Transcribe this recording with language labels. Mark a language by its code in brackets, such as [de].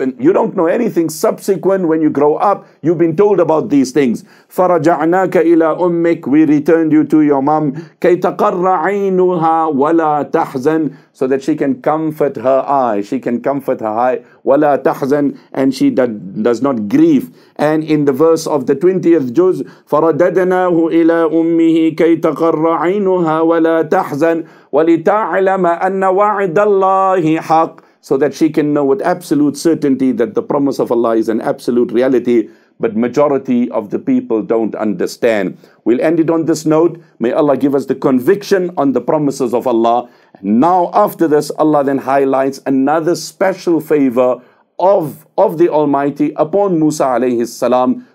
[en] And you don't know anything. Subsequent, when you grow up, you've been told about these things. [ar] فَرَجَعْنَاكَ إِلَىٰ أُمِّكَ. [en] We returned you to your mom. [ar] كَيْ تَقَرَّ عَيْنُهَا وَلَا تَحْزَنَ. [en] So that she can comfort her eye. She can comfort her eye. [ar] وَلَا تَحْزَنْ. [en] And she does not grieve. And in the verse of the 20th juz, [ar] فَرَدَدْنَاهُ إِلَىٰ أُمِّهِ كَيْ تَقَرَّ عَيْنُهَا وَلَا تَحْزَنْ وَلِتَعْلَمَ أَنَّ وَعْدَ اللَّهِ حَقٍ. [en] So that she can know with absolute certainty that the promise of Allah is an absolute reality. But majority of the people don't understand. We'll end it on this note. May Allah give us the conviction on the promises of Allah. Now, after this, Allah then highlights another special favor of the Almighty upon Musa alayhi salam.